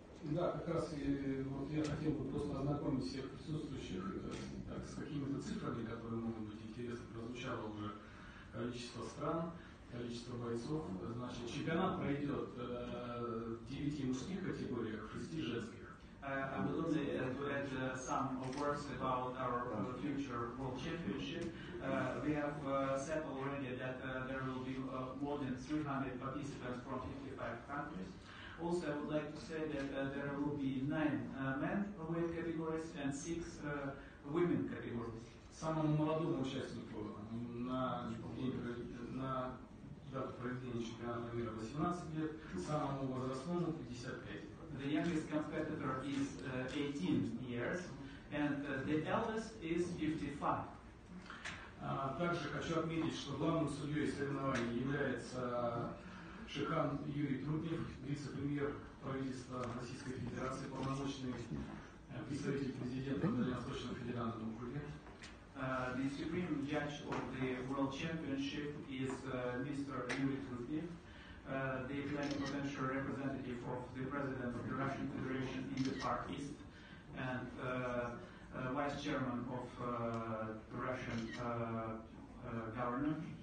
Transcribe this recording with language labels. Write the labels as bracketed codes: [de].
[ru] Да, как раз вот я хотел бы просто ознакомить всех присутствующих с какими-то цифрами, которые могут быть интересны. Прозвучало уже количество стран, количество бойцов. Значит, чемпионат пройдет в 9 мужских категориях, в [en] Absolutely, to add some words about our future World Championship. We have said already that there will be more than 300 participants from 55 countries. Also, I would like to say that there will be 9 men weight categories and 6 women categories. [ru] Самому молодому участнику на дату проведения чемпионата мира 18 лет, самому возрастному 55. [en] The youngest competitor is 18 years, and the eldest is 55. [ru] Также хочу отметить, что главным судьей соревнований является Шихан Юрий Трубнев, вице-премьер правительства Российской Федерации, полномочный представитель президента на Дальневосточном федеральном округе. [en] The supreme judge of the World Championship is Mr. Yuri Trubnev, the potential representative of the President of the Russian Federation in the Far East, and Vice Chairman of the Russian Government.